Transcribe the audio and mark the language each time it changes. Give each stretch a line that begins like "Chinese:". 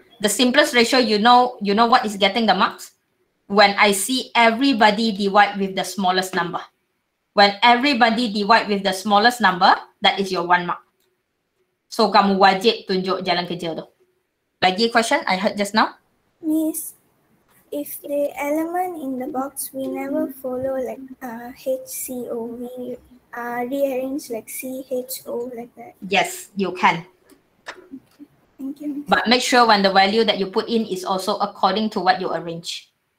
English: The simplest ratio, you know what is getting the marks? When I see everybody divide with the smallest number. When everybody divide with the smallest number, that is your one mark.
Malay: So kamu wajib tunjuk jalan kerja tu.
English: Lagi question I heard just now? Miss, if the element in the box we never follow like HCO, we rearrange like CHO like that. Yes, you can. Thank you. But make sure when the value that you put in is also according to what you arrange.